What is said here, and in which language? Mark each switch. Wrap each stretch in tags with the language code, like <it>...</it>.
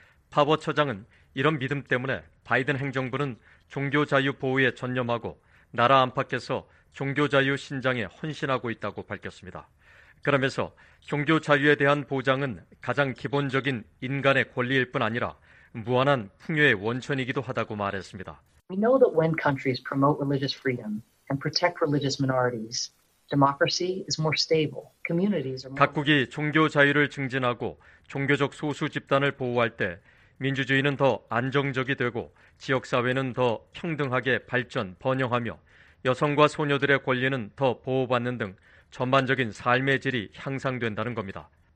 <ko>파버 처장은 이런 믿음 때문에 바이든 행정부는 종교 자유 보호에 전념하고 나라 안팎에서 종교 자유 신장에 헌신하고 있다고 밝혔습니다. 그러면서 종교 자유에 대한 보장은 가장 기본적인 인간의 권리일 뿐 아니라 무한한 풍요의 원천이기도 하다고 말했습니다.</ko> <en>We know that when countries promote religious freedom and protect religious minorities, democracy is more stable. Communities are more...</en> <ko>각국이 종교 자유를 증진하고 종교적 소수 집단을 보호할 때 민주주의는 더 안정적이 되고 지역사회는 더 평등하게 발전, 번영하며 여성과 소녀들의 권리는 더 보호받는 등 전반적인 삶의 질이 향상된다는 겁니다.</ko>